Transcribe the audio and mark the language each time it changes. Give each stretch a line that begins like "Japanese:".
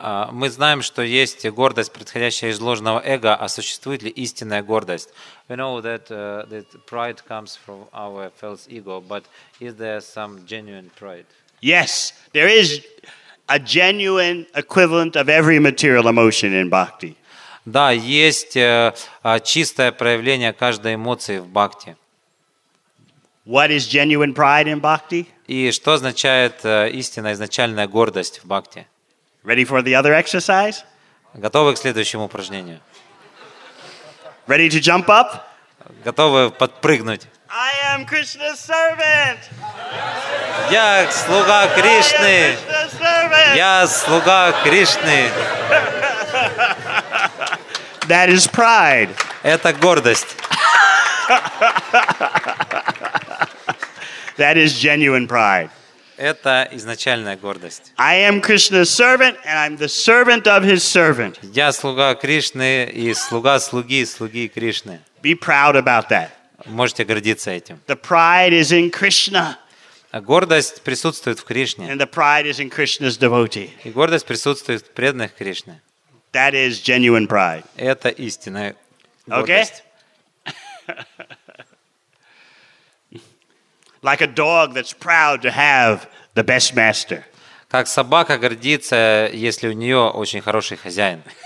Russian: Мы знаем, что есть гордость, происходящая из ложного эго, а существует ли истинная гордость?
English: We know that that pride comes from our false ego, but is there some genuine pride? Yes, there is a genuine equivalent of every material emotion in bhakti.
Russian: Да, есть чистое проявление каждой эмоции в бхакти.
English: What is genuine pride in bhakti?
Russian: И что означает истинная изначальная гордость в бхакти?
English: Ready for the other exercise?
Russian: Готовы к следующему упражнению?
English: Ready to jump up?
Russian: Готовы подпрыгнуть?
English: I am Krishna's servant.
Russian: Я слуга Кришны. Я слуга Кришны.
English: That is pride.
Russian: Это гордость.
English: That is genuine pride.
Russian: это изначальная гордость.
English: I am Krishna's servant and I'm the servant of his servant.
Russian: Я слуга Кришны и слуга слуги слуги Кришны.
English: Be proud about that.
Russian: Можете гордиться этим.
English: The pride is in Krishna.
Russian: Гордость присутствует в Кришне.
English: And the pride is in Krishna's devotee.
Russian: И гордость присутствует в преданных Кришне.
English: That is genuine pride.
Russian: Это истинная гордость.
English: Like a dog that's proud to have the best master.
Russian: Как собака гордится, если у нее очень хороший хозяин.